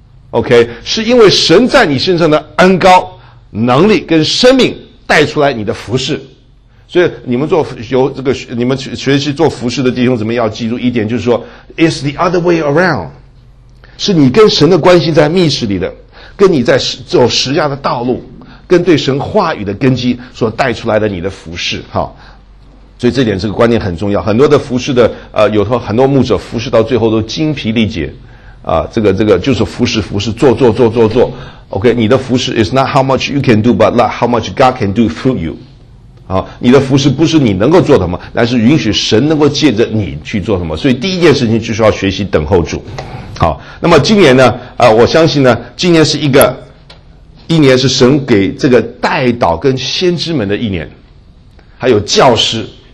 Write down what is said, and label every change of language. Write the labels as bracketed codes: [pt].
[zh] OK， 是因为神在你身上的恩膏、能力跟生命带出来你的服事，所以你们做有这个你们学习做服事的弟兄姊妹要记住一点，就是说 ， [en] it's the other way around， [zh] 是你跟神的关系在密室里的，跟你在走十架的道路，跟对神话语的根基所带出来的你的服事，哈。所以这点这个观念很重要，很多的服事的有时候很多牧者服事到最后都精疲力竭。这个就是服侍做。 [en] OK， [zh] 你的服侍 [en] is not how much you can do, but not how much God can do through you. [zh] 你的服侍不是你能够做什么，但是允许神能够借着你去做什么。所以第一件事情就是要学习等候主。好，那么今年呢，我相信呢，今年是一年是神给这个代祷跟先知们的一年，还有教师。